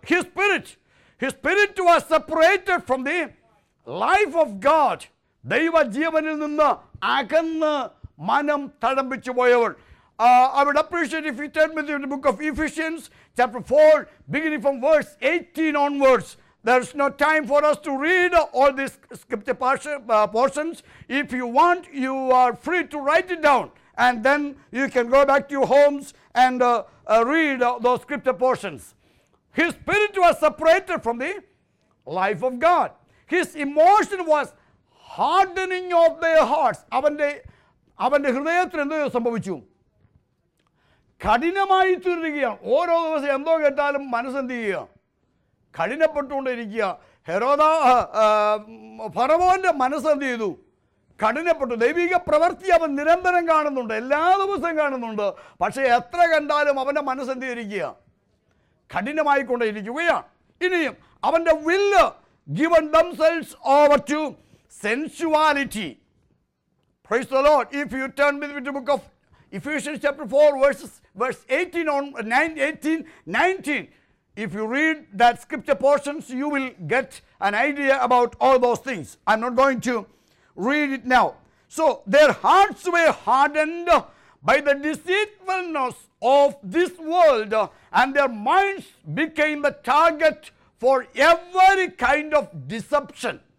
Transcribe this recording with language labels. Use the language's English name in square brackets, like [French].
[English] His spirit was separated from the life of God. [Malayalam] ദൈവജീവനിൽ നിന്ന് അകന്ന് മനം തടമ്പിച്ചു പോയവൾ. [English] I would appreciate if you turn with me to the book of Ephesians chapter 4, beginning from verse 18 onwards. There is no time for us to read all these scripture portions. If you want, you are free to write it down. And then you can go back to your homes and read those scripture portions. His spirit was separated from the life of God. His emotion was hardening of their hearts. [Malayalam] അവൻ്റെ ഹൃദയത്തിൽ എന്തോ സംഭവിച്ചു. കഠിനമായി തീരുകയാണ്. ഓരോ ദിവസം എന്തോ കേട്ടാലും മനസ്സെന്ത് ചെയ്യുക? കഠിനപ്പെട്ടുകൊണ്ടിരിക്കുക. ഹെരോദാ ഫറവോൻ്റെ മനസ്സെന്ത് ചെയ്തു? കഠിനപ്പെട്ടു. ദൈവിക പ്രവൃത്തി അവൻ നിരന്തരം കാണുന്നുണ്ട്, എല്ലാ ദിവസവും കാണുന്നുണ്ട്. പക്ഷേ എത്ര കണ്ടാലും അവൻ്റെ മനസ്സെന്ത് ചെയ്യുക? കഠിനമായിക്കൊണ്ടേ ഇരിക്കുകയാണ്. ഇനിയും അവൻ്റെ [English] വില്ല് given themselves over to sensuality. Praise the Lord. If you turn with me to book of Ephesians chapter 4 verse 18-19. If you read that scripture portions, you will get an idea about all those things. I'm not going to read it now. So their hearts were hardened by the deceitfulness of this world, and their minds became the target for every kind of deception.